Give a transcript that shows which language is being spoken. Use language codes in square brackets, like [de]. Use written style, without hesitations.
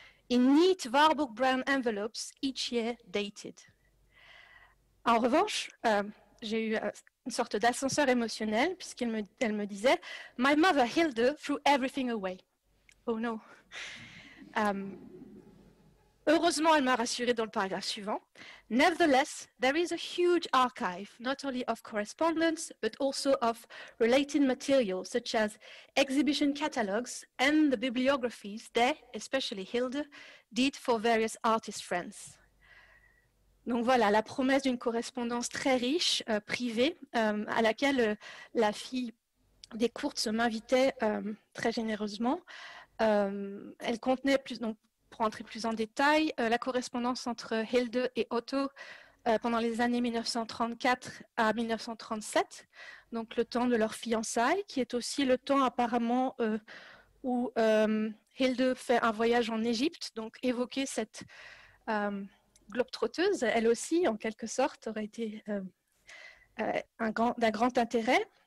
[en] In neat Warburg brown envelopes, each year dated. [fr] En revanche, j'ai eu une sorte d'ascenseur émotionnel, puisqu'elle me disait, [en] My mother, Hilde, threw everything away. Oh no. [fr] Heureusement, elle m'a rassurée dans le paragraphe suivant. [en] Nevertheless, there is a huge archive, not only of correspondence, but also of related material, such as exhibition catalogues and the bibliographies they, especially Hilde, did for various artist friends. [fr] Donc voilà, la promesse d'une correspondance très riche, privée, à laquelle la fille des Kurz m'invitait très généreusement. Elle contenait plus... Donc, pour entrer plus en détail, la correspondance entre Hilde et Otto pendant les années 1934 à 1937, donc le temps de leur fiançailles, qui est aussi le temps apparemment où Hilde fait un voyage en Égypte, donc évoquer cette globetrotteuse, elle aussi, en quelque sorte, aurait été d'un grand intérêt.